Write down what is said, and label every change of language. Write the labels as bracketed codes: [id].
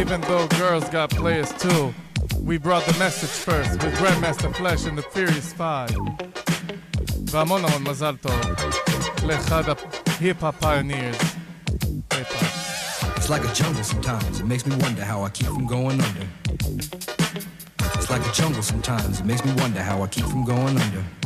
[en] Even though girls got players too, we brought the message first with Grandmaster Flash and the Furious Five. [he] והמון המון מזל טוב לאחד ההיפ-הופ פיונירס. [en] It's like a jungle sometimes, it makes me wonder how I keep from going under. It's like a jungle sometimes, it makes me wonder how I keep from going under.